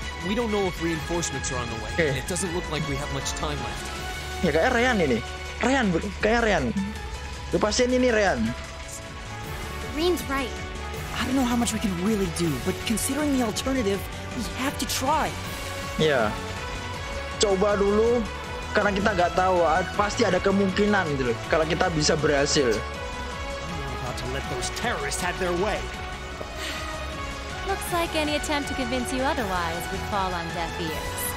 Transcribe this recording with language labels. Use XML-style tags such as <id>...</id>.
<en>We don't know if reinforcements are on the way. Okay. It doesn't look like we have much time left.</en> <id>Ya kayak Rehan ini. Rehan, kayak Rehan. Lepasin ini Rehan.</id> <en>Rehan's right. I don't know how much we can really do, but considering the alternative, we have to try.</en> <id>Ya. Coba dulu, karena kita nggak tahu, pasti ada kemungkinan gitu loh kalau kita bisa berhasil.</id> <en>About to let those terrorists have their way. Looks like any attempt to convince you otherwise would fall on deaf ears.</en>